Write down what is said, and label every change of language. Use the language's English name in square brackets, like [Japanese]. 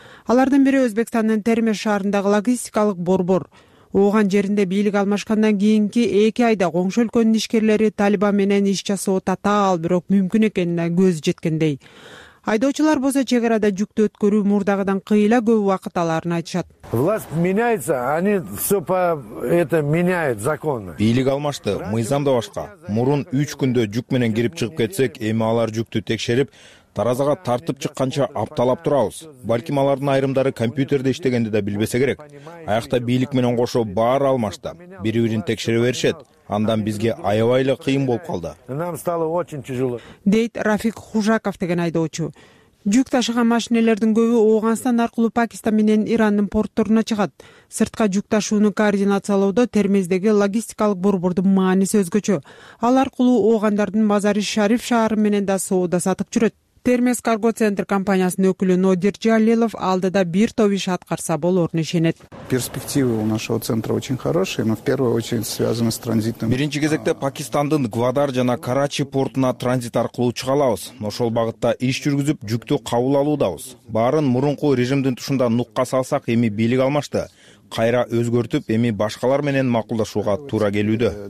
[Kyrgyz] Алардын бири Өзбекстандын Термеш шаарындагы логистикалык борбор. Ооган жеринде бийлик алмашкандан кийинки 2 айда коңшу өлкөнүн ишкерлери Талибан менен иш жасоо татаал, бирок мүмкүн экенине көз жеткендей. Айдоочулар болсо чек арада жүктү өткөрүү мурдагыдан кыйла көп убакыт аларын айтышат. [Russian] Власть меняется, они все по это меняют законы. [Kyrgyz] Бийлик алмашты, мыйзам да башка. Мурун 3 күндө жүк менен кирип чыгып кетсек, эми алар жүктү текшерип, таразага тартып чыкканча апталап турабыз. Балким алардын айрымдары компьютерде иштегенде да билбесе керек. Аякта бийлик менен кошо баары алмашты. Бири бирин текшере беришет. Андан бизге аябай эле кыйын болуп калды. [Russian] Нам стало очень тяжело. [Kyrgyz] Дейт Рафик Хужаков деген айдоочу. Жүк ташыган машинелердин көбү Ооганстан аркылуу Пакистан менен Ирандын портторуна чыгат. Сыртка жүк ташууну координациялоодо Термездеги логистикалык борбордун мааниси өзгөчө. Ал аркылуу оогандардын Мазари Шариф шаары менен да соода сатып жүрөт. Термез карго центр компаниясынын өкүлү Нодир Жалилов алдыда бир топ иш аткарса болорун ишенет. [Russian] Перспективы у нашего центра очень хорошие, но в первую очередь связаны с транзитом. [Kyrgyz] Биринчи кезекте Пакистандын Гвадар жана Карачи портуна транзит аркылуу чыга алабыз. Ошол багытта иш жүргүзүп, жүктү кабыл алуудабыз. Баарын мурунку режимдин тушунда нукка салсак, эми бийлик алмашты. Кайра өзгөртүп, эми башкалар менен макулдашууга туура келүүдө.